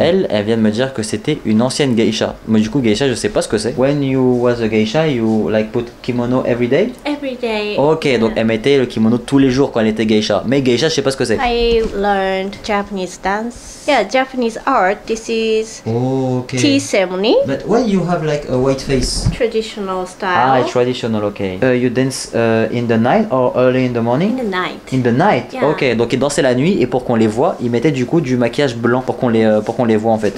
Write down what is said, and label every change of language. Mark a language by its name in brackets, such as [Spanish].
[French] Elle vient de me dire que c'était une ancienne geisha. Mais du coup, geisha, je sais pas ce que c'est. [English] When you was a geisha, you like put kimono every day? Every day. Ok, yeah. [French] Donc elle mettait le kimono tous les jours quand elle était geisha. Mais geisha, je sais pas ce que c'est. [English] I learned Japanese dance. Yeah, Japanese art. This is okay. Tea ceremony. But why you have like a white face? Traditional style. Ah, traditional, ok. You dance in the night or early in the morning? In the night. In the night? Yeah. [French] Ok, donc ils dansaient la nuit et pour qu'on les voit, ils mettaient du coup du maquillage blanc pour qu'on les voit en fait.